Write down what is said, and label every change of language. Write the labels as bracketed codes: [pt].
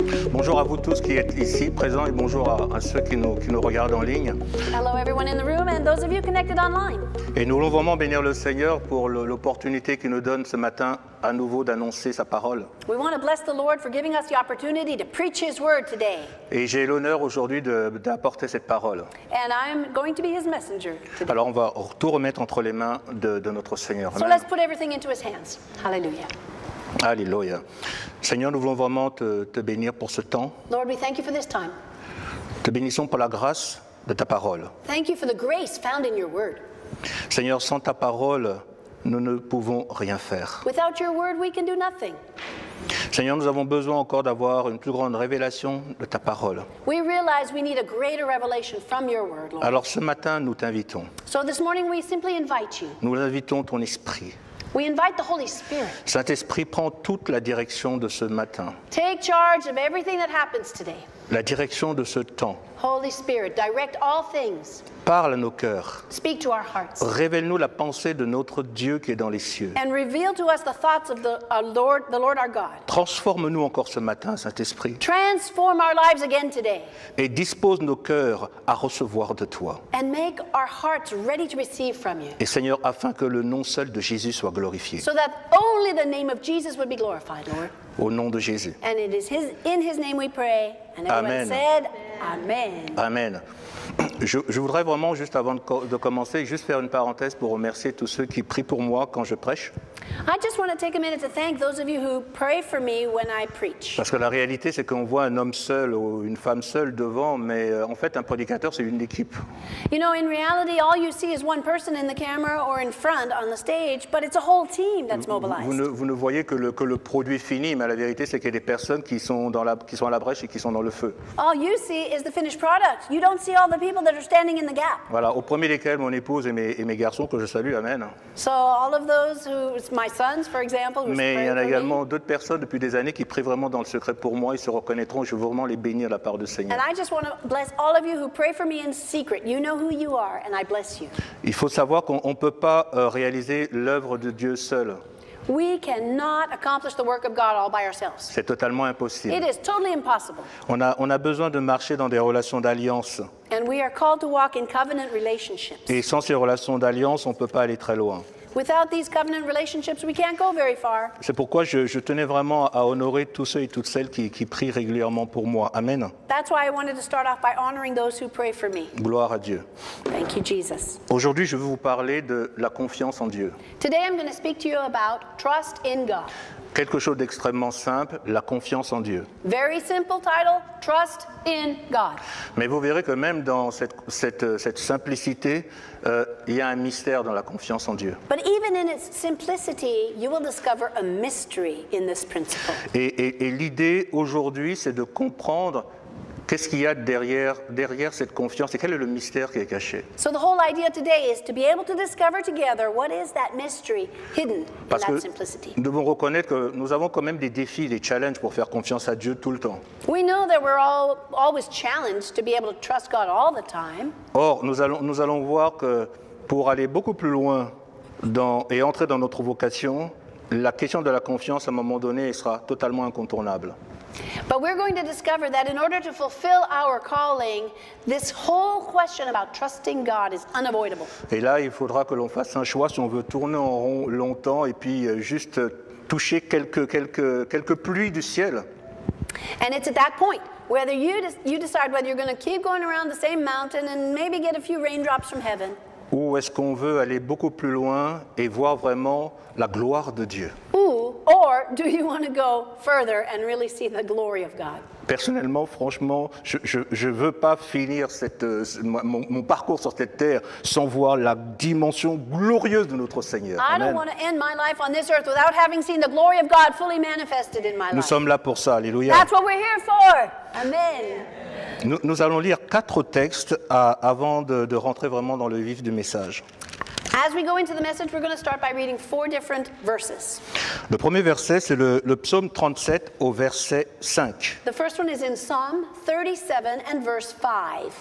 [fr] Bonjour à vous tous qui êtes ici présents et bonjour à ceux qui nous regardent en ligne. [en] Hello everyone in the room and those of you connected online. [fr] Et nous voulons vraiment bénir le Seigneur pour l'opportunité qu'il nous donne ce matin à nouveau d'annoncer sa parole. [en] We want to bless the Lord for giving us the opportunity to preach his word today. [fr] Et j'ai l'honneur aujourd'hui d'apporter cette parole. [en] And I'm going to be his messenger today. [fr] Alors on va tout remettre entre les mains de notre Seigneur. [en] So let's put everything into his hands. Hallelujah. [fr] Alléluia. Seigneur, nous voulons vraiment te bénir pour ce temps. [en] Lord, we thank you for this time. [fr] Te bénissons pour la grâce de ta parole. [en] Thank you for the grace found in your word. [fr] Seigneur, sans ta parole, nous ne pouvons rien faire. [en] Without your word, we can do nothing. [fr] Seigneur, nous avons besoin encore d'avoir une plus grande révélation de ta parole. [en] We realize we need a greater revelation from your word, Lord. [fr] Alors ce matin, nous t'invitons. [en] So this morning, we simply invite you. [fr] Nous invitons ton esprit. [en] We invite the Holy Spirit. [fr] Saint-Esprit, prends toute la direction de ce matin. [en] Take charge of everything that happens today. [fr] La direction de ce temps. [en] Holy Spirit, direct all things. [fr] Parle à nos cœurs. [en] Speak to our hearts. [fr] Révèle-nous la pensée de notre Dieu qui est dans les cieux. [en] And reveal to us the thoughts of the Lord our God. [fr] Transforme-nous encore ce matin, Saint-Esprit. [en] Transform our lives again today. [fr] Et dispose nos cœurs à recevoir de toi. [en] And make our hearts ready to receive from you. [fr] Et Seigneur, afin que le nom seul de Jésus soit glorifié. [en] So that only the name of Jesus would be glorified, Lord. [fr] Au nom de Jésus. [en] And it is in his name we pray. Amen. Said, Amen. Amen. [fr] Je voudrais vraiment, juste avant de commencer, juste faire une parenthèse pour remercier tous ceux qui prient pour moi quand je prêche. [en] I just want to take a minute to thank those of you who pray for me when I preach. [fr] Parce que la réalité, c'est qu'on voit un homme seul ou une femme seule devant, mais en fait, un prédicateur, c'est une équipe. [en] You know, in reality, all you see is one person in the camera or in front on the stage, but it's a whole team that's mobilized. [fr] Vous ne voyez que le produit fini, mais la vérité, c'est qu'il y a des personnes qui sont à la brèche et qui sont dans le feu. [en] All you see is the finished product. You don't see all the people that are standing in the gap. [fr] Voilà, au premier desquels, mon épouse et mes garçons que je salue, amen. [en] So all of those who my sons, for example, who's [fr] mais il y en a également [en] me. [fr] D'autres personnes depuis des années qui prient vraiment dans le secret pour moi et se reconnaîtront. Je veux vraiment les bénir de la part du Seigneur. [en] And I just want to bless all of you who pray for me in secret. You know who you are, and I bless you. [fr] Il faut savoir qu'on peut pas réaliser l'œuvre de Dieu seul. [en] We cannot accomplish the work of God all by ourselves. [fr] C'est totalement impossible. [en] It is totally impossible. [fr] On a besoin de marcher dans des relations d'alliance. [en] And we are called to walk in covenant relationships. [fr] Et sans ces relations d'alliance, on peut pas aller très loin. [en] Without these covenant relationships, we can't go very far. [fr] C'est pourquoi je tenais vraiment à honorer tous ceux et toutes celles qui prient régulièrement pour moi. Amen. [en] That's why I wanted to start off by honoring those who pray for me. [fr] Gloire à Dieu. [en] Thank you, Jesus. [fr] Aujourd'hui, je veux vous parler de la confiance en Dieu. [en] Today, I'm going to speak to you about trust in God. [fr] Quelque chose d'extrêmement simple, la confiance en Dieu. [en] Very simple title, trust in God. [fr] Mais vous verrez que même dans cette simplicité, il y a un mystère dans la confiance en Dieu. [en] But even in its simplicity, you will discover a mystery in this principle. [fr] Et l'idée aujourd'hui, c'est de comprendre qu'est-ce qu'il y a derrière cette confiance et quel est le mystère qui est caché. [en] So the whole idea today is to be able to discover together what is that mystery hidden [fr] parce [en] in that simplicity. [fr] Nous devons reconnaître que nous avons quand même des défis, des challenges pour faire confiance à Dieu tout le temps. [en] We know that we're always challenged to be able to trust God all the time. [fr] Or, nous allons voir que pour aller beaucoup plus loin et entrer dans notre vocation, la question de la confiance à un moment donné sera totalement incontournable. [en] But we're going to discover that in order to fulfill our calling, this whole question about trusting God is unavoidable. [fr] Et là, il faudra que l'on fasse un choix si on veut tourner en rond longtemps et puis juste toucher quelques pluies du ciel. [en] And it's at that point whether you decide whether you're going to keep going around the same mountain and maybe get a few raindrops from heaven. [fr] Ou est-ce qu'on veut aller beaucoup plus loin et voir vraiment la gloire de Dieu? [en] Or do you want to go further and really see the glory of God? [fr] Personnellement, franchement, je veux pas finir mon parcours sur cette terre sans voir la dimension glorieuse de notre Seigneur. [en] I don't want to end my life on this earth without having seen the glory of God fully manifested in my life. [fr] Nous sommes là pour ça, alléluia. [en] That's what we're here for. Amen. [fr] Nous allons lire quatre textes avant de rentrer vraiment dans le vif du message. [en] As we go into the message, we're going to start by reading four different verses. [fr] Le premier verset, c'est le psaume 37 au verset 5. [en] The first one is in Psalm 37 and verse 5.